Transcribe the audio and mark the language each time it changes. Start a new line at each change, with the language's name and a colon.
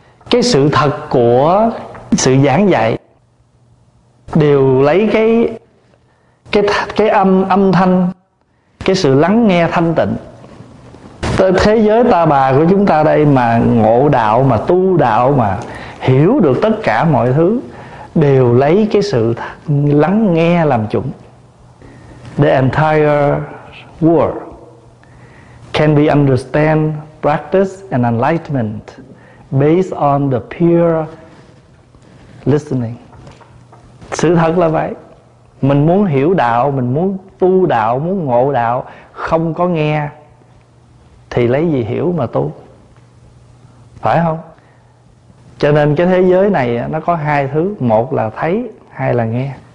Vietnamese: Cái sự thật của sự giảng dạy đều lấy cái âm thanh, cái sự lắng nghe thanh tịnh. Thế giới ta bà của chúng ta đây mà ngộ đạo, mà tu đạo, mà hiểu được tất cả mọi thứ đều lấy cái sự lắng nghe làm chuẩn.
English: The entire world can be understand, practice and enlightenment based on the pure listening.
Vietnamese: Sự thật là vậy. Mình muốn hiểu đạo, mình muốn tu đạo, muốn ngộ đạo, không có nghe thì lấy gì hiểu mà tu? Phải không? Cho nên cái thế giới này nó có hai thứ. Một là thấy, hai là nghe.